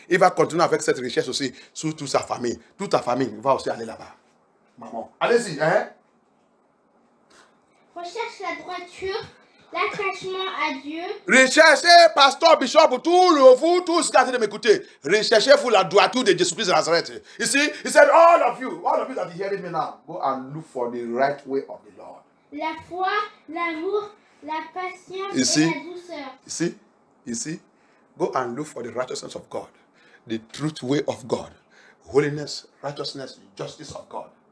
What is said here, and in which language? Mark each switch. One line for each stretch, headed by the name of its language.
French: Il va continuer avec cette richesse aussi sur toute sa famille. Toute ta famille va aussi aller là-bas. Mammon. Allez-y, hein? Recherche la droiture, l'attachement à Dieu. Recherchez, pasteur, bishop, tout le vous, tous qui êtes de m'écouter. Recherchez-vous la droiture de Jésus Christ de Nazareth.
English: You see, he said, all of you that are hearing me now, go and look for the right way of the Lord.
French: La foi, l'amour, la patience et la douceur.
English: You see, go and look for the righteousness of God, the truth way of God, holiness, righteousness, justice of God.